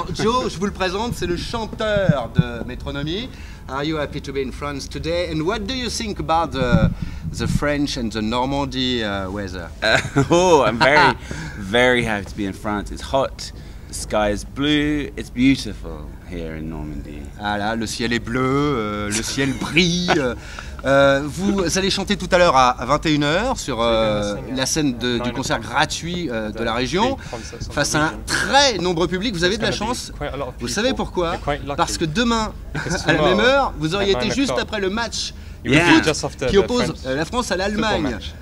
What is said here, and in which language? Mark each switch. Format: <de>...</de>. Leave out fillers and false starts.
<fr>Jo, je vous le présente, c'est le chanteur de Metronomy.</fr> <en>Are you happy to be in France today? And what do you think about the French and the Normandy weather? I'm very, very happy to be in France. It's hot, the sky is blue, it's beautiful here in Normandy.</en> <fr>Ah là, le ciel est bleu, le ciel brille. Vous allez chanter tout à l'heure à 21h sur la scène du concert gratuit de la région face à un très nombreux public. Vous avez de la chance, vous savez pourquoi? Parce que demain, à la même heure, vous auriez été juste après le match qui oppose la France à l'Allemagne.</fr>